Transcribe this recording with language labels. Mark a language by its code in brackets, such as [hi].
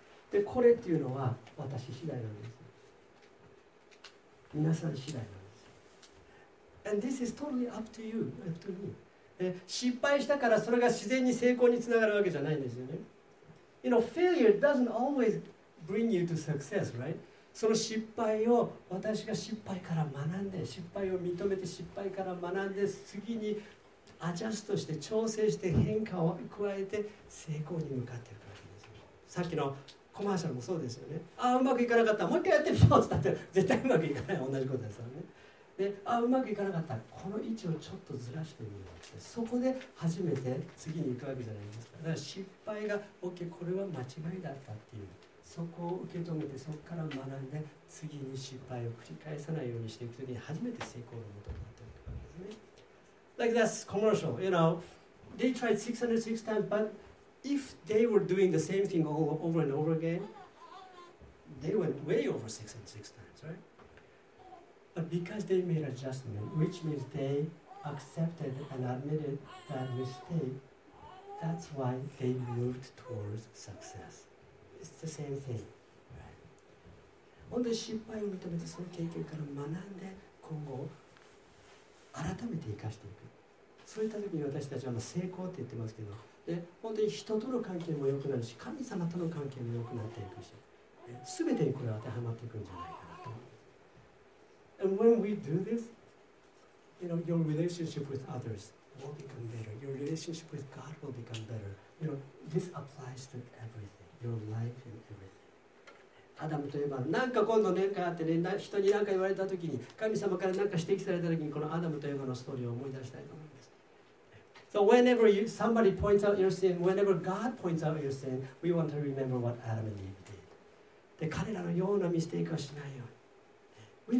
[ja] でこれっていうのは私次第なんです。皆さん次第なんです。 [en] And this is totally up to you, up to me. [ja] 失敗したからそれが自然に成功につながるわけじゃないんですよね。 [en] You know, failure doesn't always bring you to success, right? [ja] その失敗を私が失敗から学んで、失敗を認めて失敗から学んで、次にアジャストして調整して変化を加えて成功に向かっていくわけですよ。さっきのコマーシャルもそうですよね。あ、うまくいかなかった、もう一回やってみようって言ったら絶対うまくいかない、同じことですよね。で、あ、うまくいかなかった、この位置をちょっとずらしてみようって、そこで初めて次に行くわけじゃないですか。だから失敗が OK、これは間違いだったっていう、そこを受け止めて、そこから学んで、次に失敗を繰り返さないようにしていくときに初めて成功のもとになっていくわけですね。 [en] Like that's commercial, you know, they tried 606 times, butIf they were doing the same thing all over and over again, they went way over 606 times, right? But because they made adjustment, which means they accepted and admitted that mistake, that's why they moved towards success. It's the same thing, right? [ja] 本当に失敗を認めてその経験から学んで、今後改めて生かしていく。そういった時に私たちは成功って言ってますけど、で本当に人との関係も良くなるし、神様との関係も良くなっていくし、全てにこれ当てはまっていくんじゃないかなと思う。 [en] And when we do this, you know, your relationship with others will become better. Your relationship with God will become better. You know, this applies to everything. Your life and everything. [ja] アダムといえば、なんか今度何かあってね、人に何か言われた時に、神様から何か指摘された時に、このアダムといえばのストーリーを思い出したいと思う。 [en] So whenever you, somebody points out your sin, whenever God points out your sin, we want to remember what Adam and Eve did. [ja] で、彼らのようなミステイクをしないように。